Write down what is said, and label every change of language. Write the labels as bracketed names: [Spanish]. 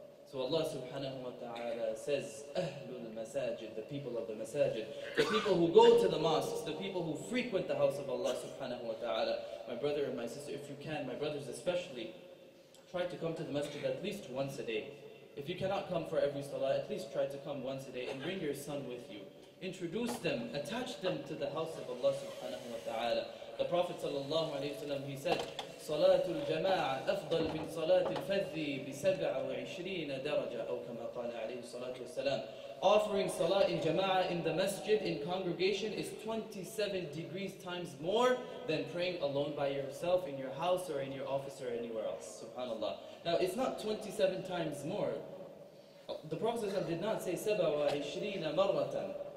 [English] So Allah subhanahu wa ta'ala says, [Arabic] Ahlul masajid, [English] the people of the masajid, the people who go to the mosques, the people who frequent the house of Allah subhanahu wa ta'ala. My brother and my sister, if you can, my brothers especially, try to come to the masjid at least once a day. If you cannot come for every salah, at least try to come once a day and bring your son with you. Introduce them, attach them to the house of Allah subhanahu wa ta'ala. [Arabic] The Prophet sallallahu alayhi wa sallam, he said, صَلَاتُ الْجَمَاعَةِ أَفْضَلْ مِنْ صَلَاتِ الْفَذِّي بِسَبْعَ دَرَجَةً أَوْ كَمَا قَالَ عَلَيْهُ صَلَاتُ وَسَلَامُ. [English] Offering salah in jama'ah in the masjid, in congregation, is 27 degrees times more than praying alone by yourself in your house or in your office or anywhere else. SubhanAllah. Now, it's not 27 times more. The Prophet did not say [Arabic] سَبَعَ مَرَّةً.